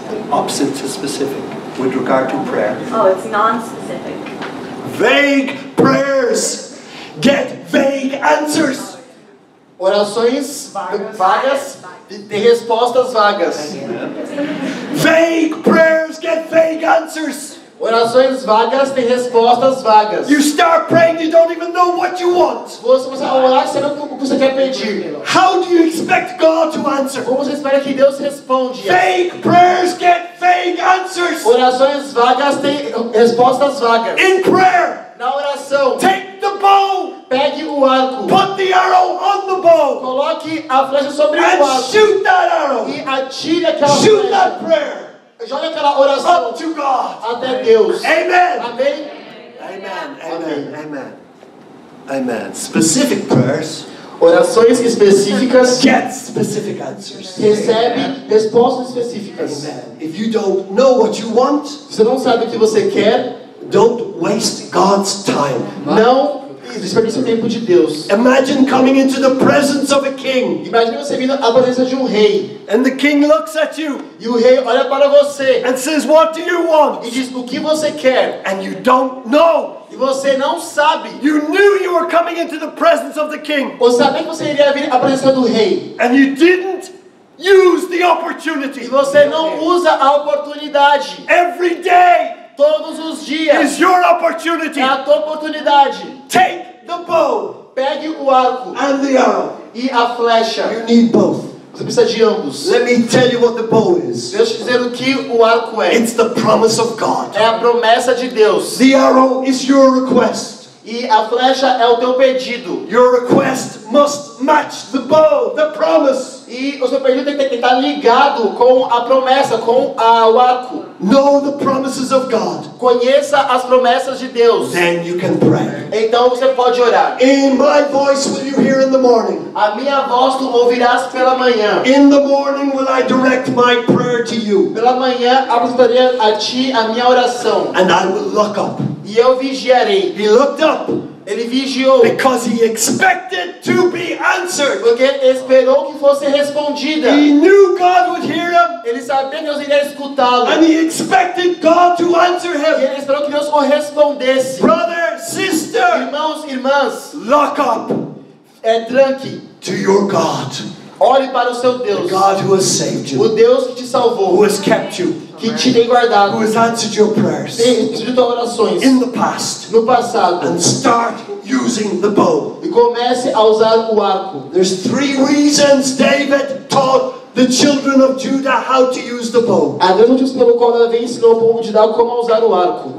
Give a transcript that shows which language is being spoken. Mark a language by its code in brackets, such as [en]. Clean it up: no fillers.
[en] Opposite to specific with regard to prayer. Oh, it's non-specific. Vague prayers get vague answers. [pt] Orações vagas. De respostas vagas. [en] Vague prayers get vague answers. [pt] Orações vagas têm respostas vagas. [en] You start praying, you don't even know what you want. [pt] Você começa a orar, você não sabe o que você quer pedir. [en] How do you expect God to answer? [pt] Como você espera que Deus responda? [en] Vague prayers get vague answers. [pt] Orações vagas têm respostas vagas. [en] In prayer. [pt] Na oração. [en] Take the bow. [pt] Pegue o arco. [en] Put the arrow on the bow. [pt] Coloque a flecha sobre o arco. [en] And shoot that arrow. [pt] E atire aquela [en] shoot [pt] flecha. [en] Shoot that prayer. [pt] Jogue aquela oração. [en] Up to God. [pt] Até Deus. [en] Amen. [pt] Amém. [en] Amen. Amen. Amen. Amen. Specific prayers. [pt] Orações específicas. [en] Get specific answers. [pt] Recebe respostas específicas. [en] Amen. If you don't know what you want, [pt] você não sabe o que você quer. [en] Don't waste God's time. [pt] Não desperdice o tempo de Deus. [en] Imagine coming into the presence of a king. [pt] Imagine você vindo à presença de um rei. [en] And the king looks at you. [pt] E o rei olha para você. [en] And says, "What do you want?" [pt] E diz, o que você quer? [en] And you don't know. [pt] E você não sabe. [en] You knew you were coming into the presence of the king. [pt] Você sabia que você iria vir à presença do rei. [en] And you didn't use the opportunity. [pt] E você não usa a oportunidade. [en] Every day. [pt] Todos os dias. [en] Is your opportunity. [pt] É a tua oportunidade. [en] Take the bow. [pt] Pegue o arco. [en] And the arrow. [pt] E a flecha. [en] You need both. [pt] Você precisa de ambos. [en] Let me tell you what the bow is. [pt] Deixa eu dizer o que o arco é. [en] It's the promise of God. [pt] É a promessa de Deus. [en] The arrow is your request. [pt] E a flecha é o teu pedido. [en] Your request must match the bow, the promise. [pt] E o seu pedido tem que estar ligado com a promessa, com o arco. [en] Know the promises of God. [pt] Conheça as promessas de Deus. [en] Then you can pray. [pt] Então você pode orar. [en] In my voice will you hear in the morning. [pt] A minha voz tu ouvirás pela manhã. [en] In the morning will I direct my prayer to you. [pt] Pela manhã apresentarei a ti a minha oração. [en] And I will look up. [pt] E eu vigiarei. [en] He looked up. [pt] Ele vigiou. [en] Because he expected to be answered. [pt] Porque ele esperou que fosse respondida. [en] He knew God would hear him. [pt] Ele sabia que Deus iria escutá-lo. [en] And he expected God to answer him. [pt] E ele esperou que Deus o respondesse. [en] Brother, sister. [pt] Irmãos, irmãs. [en] Lock up. [pt] É tranque. [en] To your God. [pt] Olhe para o seu Deus. [en] The God who has saved you. [pt] O Deus que te salvou. [en] Who has kept you. [pt] Que te tem guardado. [en] Who has answered your prayers. [pt] Tem respondido orações. [en] In the past. [pt] No passado. [en] And start using the bow. [pt] E comece a usar o arco. [en] There's three reasons David taught the children of Judah how to use the bow. [pt] Há dois motivos pelo qual Davi ensinou o povo de Judá como usar o arco.